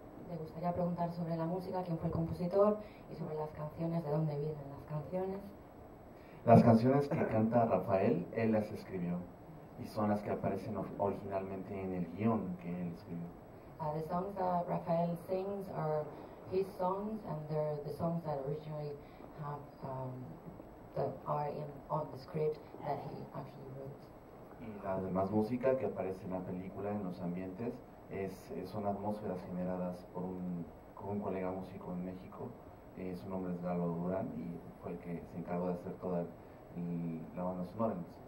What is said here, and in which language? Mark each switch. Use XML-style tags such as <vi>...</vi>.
<es>Me gustaría preguntar sobre la música, quién fue el compositor, y sobre las canciones, de dónde vienen las canciones. Las canciones que canta Rafael, él las escribió, y son las que aparecen originalmente en el guión que él escribió.</es> <en>The songs that Rafael sings are his songs, and they're the songs that originally have that are in on the script that he actually wrote.</en> <es>Y la demás música que aparece en la película, en los ambientes, son atmósferas generadas por un colega músico en México. Su nombre es Galo Durán y fue el que se encargó de hacer toda la banda sonora en mis.</es>